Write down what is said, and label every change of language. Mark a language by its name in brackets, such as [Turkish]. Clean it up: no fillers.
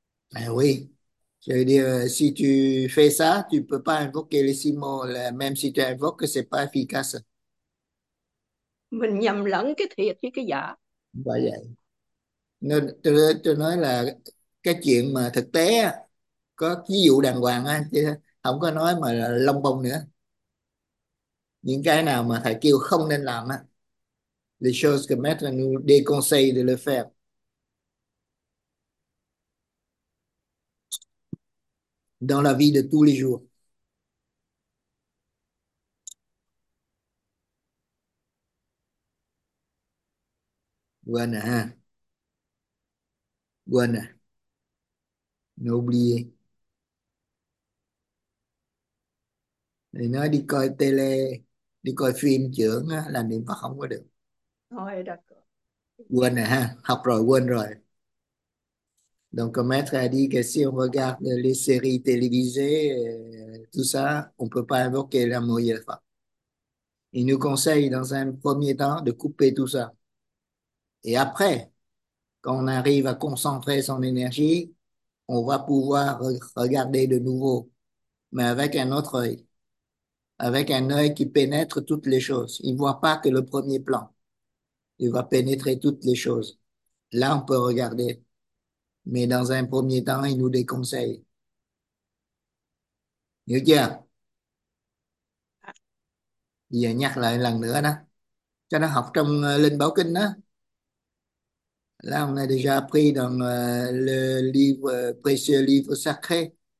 [French] À oui, je veux dire, si tu fais ça, tu peux pas invoquer les six mots, là, même si tu invoques, ce n'est pas efficace. [Vietnamese] Mình nhầm lẫn cái thiệt với cái giả. Vậy. Nên tôi nói là cái chuyện mà thực tế có ví dụ đàng hoàng á, chứ không có nói mà là lông bông nữa. Những cái nào mà thầy kêu không nên làm á, [French] les choses que maître nous déconseille de le faire. Dans la vie de tous les jours. [Vietnamese] Quên à ha. Quên à. [French] N'oubliez. [Vietnamese] Thì nói đi coi tele, đi coi phim chưởng á, là niệm Phật không có được. Thôi đặt Quên rồi ha, học rồi quên rồi. [French] Donc maître a dit que si on regarde les séries télévisées, tout ça, on ne peut pas invoquer l'amour et la femme. Il nous conseille dans un premier temps de couper tout ça. Et après, quand on arrive à concentrer son énergie, on va pouvoir regarder de nouveau, mais avec un autre œil, avec un œil qui pénètre toutes les choses. Il ne voit pas que le premier plan. Il va pénétrer toutes les choses. Là, on peut regarder. Mais dans un premier temps, il nous déconseille. [Vietnamese] Hiểu chưa? Bây giờ nhắc lại lần nữa đó. Cho nó học trong Linh Báo Kinh đó. [French] Là on a déjà appris dans le livre, précieux livre sacré.